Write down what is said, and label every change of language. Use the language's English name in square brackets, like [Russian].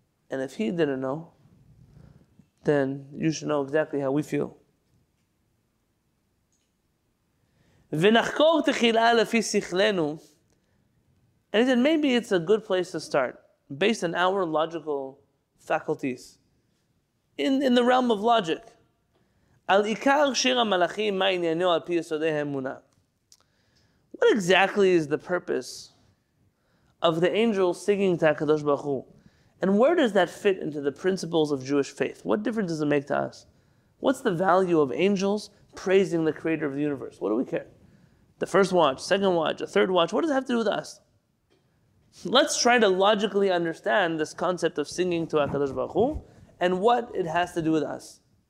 [English] And if he didn't know, then you should know exactly how we feel. [Hebrew] ונחקור תחילה לפי שכלנו. [English] And he said, maybe it's a good place to start, based on our logical faculties, in the realm of logic. [Hebrew] על עיקר שיר המלאכים, מה עניינו על פי יסודי האמונה? [English] What exactly is the purpose of the angels singing to HaKadosh Baruch Hu? And where does that fit into the principles of Jewish faith? What difference does it make to us? What's the value of angels praising the Creator of the universe? What do we care? The first watch, second watch, the third watch, what does it have to do with us? Let's try to logically understand this concept of singing to HaKadosh Baruch Hu and what it has to do with us.